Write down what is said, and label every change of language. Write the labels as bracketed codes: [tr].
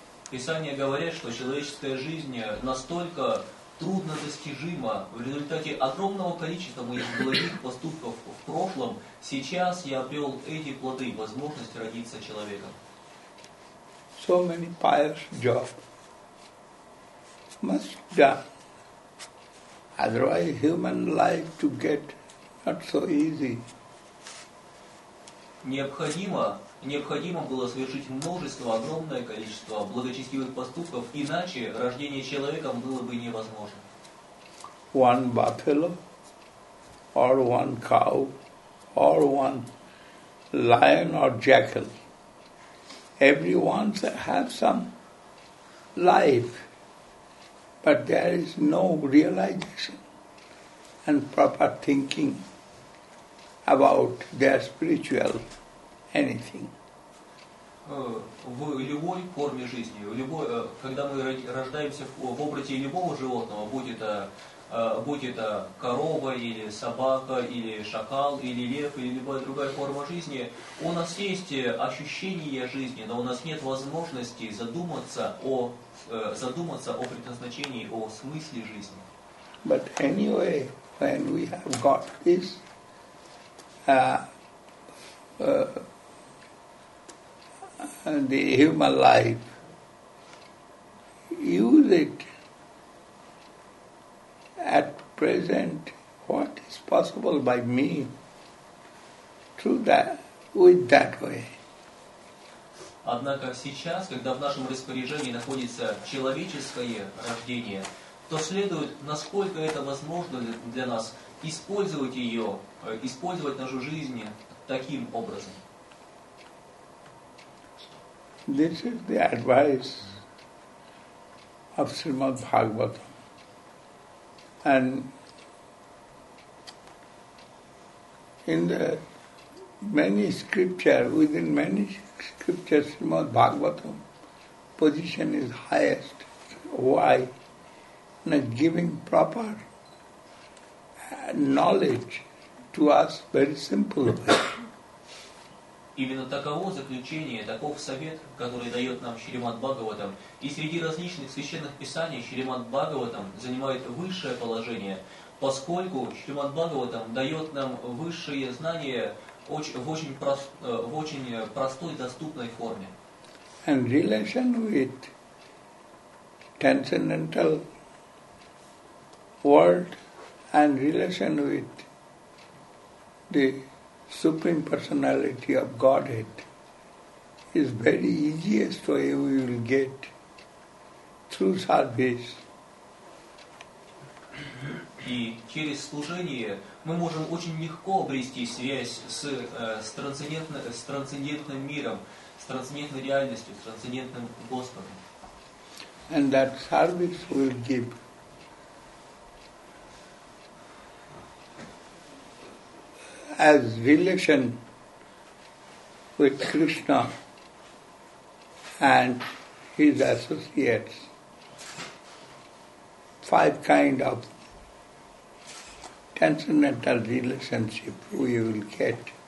[ru] Писание говорит, что человеческая жизнь настолько труднодостижима в результате огромного количества моих благих поступков в прошлом, сейчас я обрел эти плоды, возможность родиться человеком. [en] So many pious job must be done. Otherwise, human life to get not so easy. [ru] Необходимо было совершить множество, огромное количество благочестивых поступков, иначе рождение человеком было бы невозможно. [en] One buffalo, or one cow, or one lion or jackal. Everyone has some life, but there is no realization and proper thinking about their spiritual anything. [ru] В любой форме жизни, когда мы рождаемся в образе любого животного, будь это корова, или собака, или шакал, или лев, или любая другая форма жизни, у нас есть ощущение жизни, но у нас нет возможности задуматься о предназначении, о смысле жизни. [en] But anyway, when we have got this the human life, use it at present what is possible by me through that, with that way. [ru] Однако сейчас, когда в нашем распоряжении находится человеческое рождение, то следует, насколько это возможно для нас, использовать нашу жизнь таким образом. [en] This is the advice of Srimad Bhagavatam. And in the many scriptures, within many scriptures, Srimad Bhagavatam position is highest. Why? Now giving proper knowledge to us very simple way. [ru] Именно таково заключение, таков совет, который дает нам Шримад Бхагаватам. И среди различных священных писаний Шримад Бхагаватам занимает высшее положение, поскольку Шримад Бхагаватам дает нам высшие знания в очень простой, доступной форме. [en] And relation with transcendental world and relation with the Supreme Personality of Godhead is very easiest way we will get through service. [ru] И через служение мы можем очень легко обрести связь с трансцендентным миром, с трансцендентной реальностью, с трансцендентным Господом. [en] And that service will give as relation with Krishna and his associates, five kind of transcendental relationship we will get.